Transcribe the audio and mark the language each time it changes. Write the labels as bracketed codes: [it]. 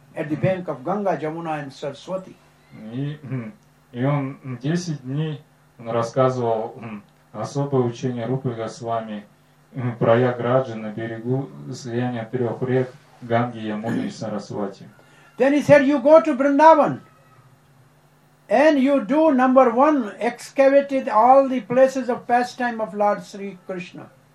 [en] at the bank of Ganga, Jamuna and Saraswati. [ru] И он 10 дней он рассказывал особое учение Рупы Госвами, Прая Граджи на берегу слияния трех рек Ганги, Ямуны и Сарасвати. [en] Then he said, you go to Vrindavan and you do number one, excavated all the places of pastime of Lord Sri Krishna.